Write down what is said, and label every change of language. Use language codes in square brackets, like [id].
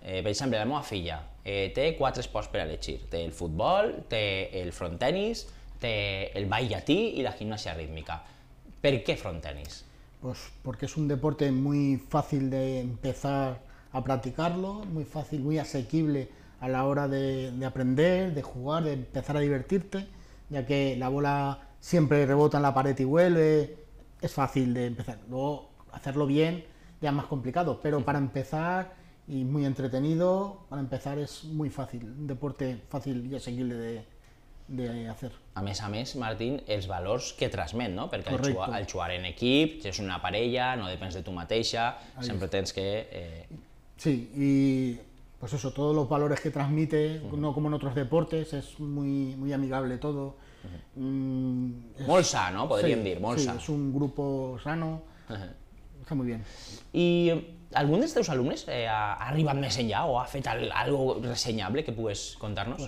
[ca] Per exemple, la meva filla té 4 esports per elegir. Té el futbol, té el frontenis, té el ball llatí i la gimnàsia rítmica. Per què frontenis? [es] Pues porque es un deporte muy fácil de empezar a practicarlo, muy fácil, muy asequible a la hora de aprender, de jugar, de empezar a divertirte, ya que la bola siempre rebota en la pared y vuelve, es fácil de empezar. Luego, hacerlo bien ya es más complicado, pero para empezar y muy entretenido, para empezar es muy fácil, un deporte fácil y asequible de hacer. [ca] A més, Martín, els valors que transmet, no? Perquè el jugar en equip, és una parella, no depens de tu mateixa, ahí sempre está. Tens que... [es] Sí, y pues eso, todos los valores que transmite, no como en otros deportes, es muy, muy amigable todo. [ca] Molt sa, no? Podríem dir, molt sa. [es] Sí, es un grupo sano. Está muy bien. ¿Y algún de tus alumnos [ca] ha arribat més enllà o ha fet [es] algo reseñable que puedes contarnos?